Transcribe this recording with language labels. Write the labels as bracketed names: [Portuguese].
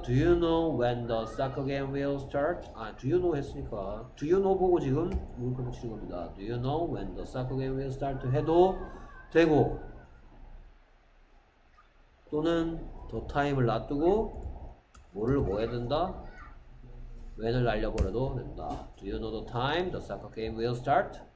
[English] Do you know when the soccer game will start? 아, do you know 했으니까 do you know 보고 지금 물건 붙이는 겁니다. Do you know when the soccer game will start? [Korean] 해도 되고 또는 더 타임을 놔두고 뭐를 뭐 해야 된다? When을 날려버려도 된다. [English] Do you know the time the soccer game will start?